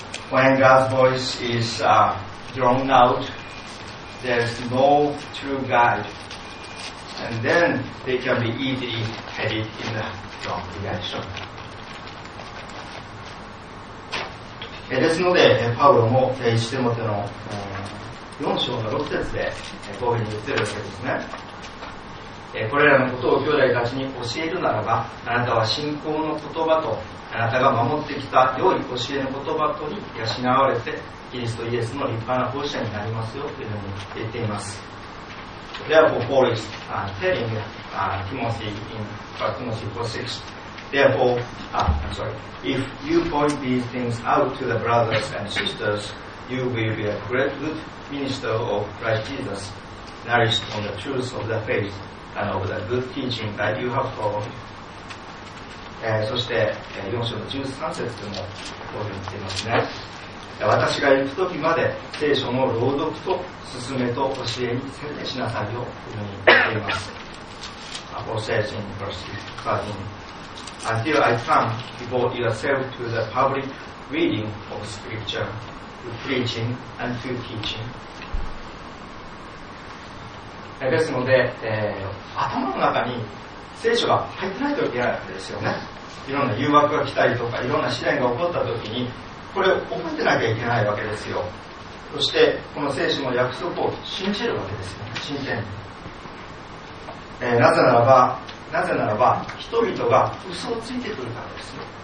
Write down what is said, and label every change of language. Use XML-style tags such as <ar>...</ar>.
<en>When God's voice is drawn out, there's no true guide. And then they can be easily headed in the wrong direction.</en> <ja>ですので、パウロも1テモテの4章の6節でこういうふうに言っているわけですね。これらのことを兄弟たちに教えるならば、あなたは信仰の言葉と、あなたが守ってきた良い教えの言葉とに養われて、キリストイエスの立派な奉仕者になりますよというふうに言っています。</ja> <en>Therefore, Paul is telling Timothy in Timothy 4:6. Therefore, if you point these things out to the brothers and sisters, you will be a great good minister of Christ Jesus, nourished on the truth of the faith and of the good teaching that you have taught.</en> <ja>そして4章の13節でもこう言っていますね。私が行くときまで聖書の朗読と勧めと教えに専念しなさいよというふうに言っています。</ja> <en>Paul says in verse 13, Until I come, devote yourself to the public reading of scripture, to preaching and to teaching.</en> <ja>ですので、頭の中に聖書が入ってないといけないわけですよね。いろんな誘惑が来たりとか、いろんな試練が起こったときに、これを覚えてなきゃいけないわけですよ。そしてこの聖書の約束を信じるわけですよ、ね、信じてる、なぜならば人々が嘘をついてくるからですよ。</ja>